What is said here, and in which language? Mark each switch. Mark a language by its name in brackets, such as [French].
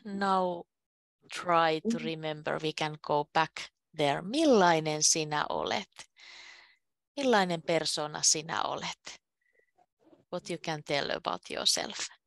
[English] Now try to remember, we can go back there. [Finnish] Millainen sinä olet? Millainen persona sinä olet? [English] What you can tell about yourself.